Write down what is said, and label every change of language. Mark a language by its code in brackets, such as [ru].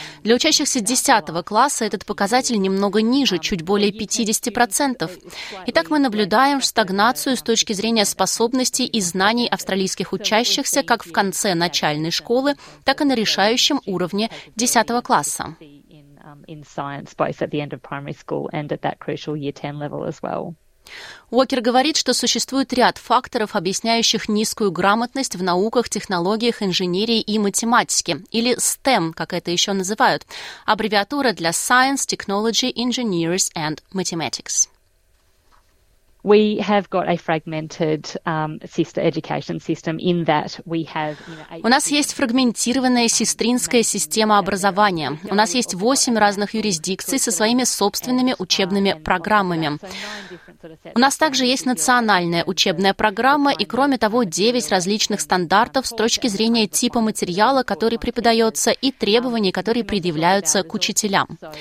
[ru] Для учащихся десятого класса этот показатель немного ниже, чуть более 50%. Итак, мы наблюдаем стагнацию с точки зрения способностей и знаний австралийских учащихся как в конце начальной школы, так и на решающем уровне десятого класса. [en] In science, both at the end of primary school and at that crucial year 10 level as well. [ru] Уокер говорит, что существует ряд факторов, объясняющих низкую грамотность в науках, технологиях, инженерии и математике, или STEM, как это еще называют, аббревиатура для [en] Science, Technology, Engineers and Mathematics. We have got a fragmented education system in that we have. [ru] У нас есть фрагментированная сестринская система образования. У нас есть 8 разных юрисдикций со своими собственными учебными программами. У нас также есть национальная учебная программа и, кроме того, 9 различных стандартов с точки зрения типа материала, который преподается, и требований, которые предъявляются к учителям.